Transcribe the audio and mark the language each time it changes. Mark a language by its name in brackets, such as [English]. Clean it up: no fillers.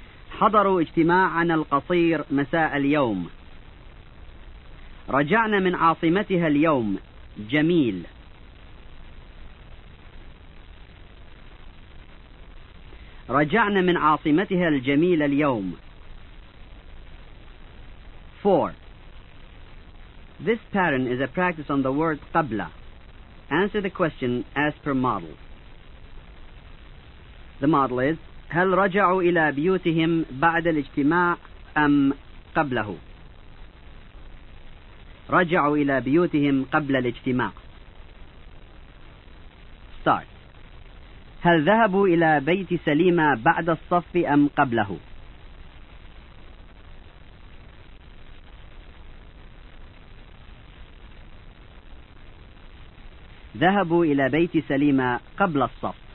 [Arabic] حضروا اجتماعنا القصير مساء اليوم. رجعنا من عاصمتها اليوم. جميل. رجعنا من عاصمتها الجميل اليوم. [English] 4. This pattern is a practice on the word قبلة. Answer the question as per model. The model is, [Arabic] هل رجعوا إلى بيوتهم بعد الاجتماع أم قبله؟ رجعوا إلى بيوتهم قبل الاجتماع. [English] Start. [Arabic] هل ذهبوا إلى بيت سليمة بعد الصف أم قبله؟ ذهبوا إلى بيت سليمة قبل الصف.